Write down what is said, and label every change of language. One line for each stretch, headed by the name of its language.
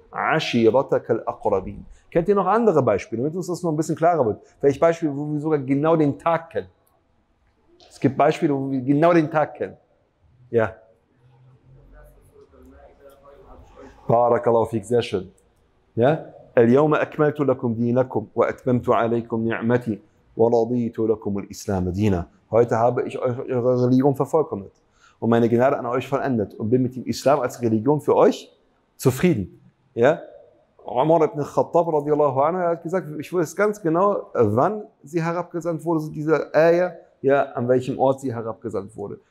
Arabic: عشيرتك الأقربين.
German: Kennt ihr noch andere Beispiele, damit uns das noch ein bisschen klarer wird? Vielleicht Beispiele, wo wir sogar genau den Tag kennen. Es gibt Beispiele, wo wir genau den Tag kennen. Ja. Barakallahu fik, sehr schön. Ja.
Arabic: اليوم أكملت لكم دينكم وأتممت عليكم نعمتي ورضيت لكم الإسلام دينا.
German: Heute habe ich eure Religion vervollkommnet und meine Gnade an euch vollendet und bin mit dem Islam als Religion für euch zufrieden. Ja? Umar ibn Khattab radiallahu anhu hat gesagt, ich weiß ganz genau, wann sie herabgesandt wurde, diese Ayah, ja, an welchem Ort sie herabgesandt wurde.